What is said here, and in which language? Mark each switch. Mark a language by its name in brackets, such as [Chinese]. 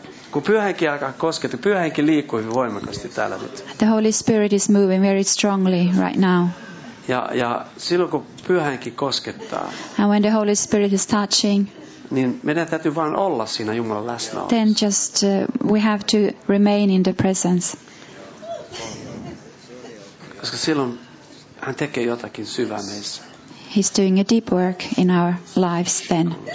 [Finnish] Kun Pyhä Henki alkaa kosketa, Pyhä Henki liikkuu hyvin voimakkaasti täällä nyt. [English] The Holy Spirit is moving very strongly right now. [Finnish] Ja silloin kun Pyhä Henki koskettaa. [English] And when the Holy Spirit is touching. [Finnish] Niin meidän täytyy vaan olla siinä Jumalan läsnäolossa. [English] Then just we have to remain in the presence. [Finnish] Koska silloin hän tekee jotakin syvää meissä. [English] He's doing a deep work in our lives then.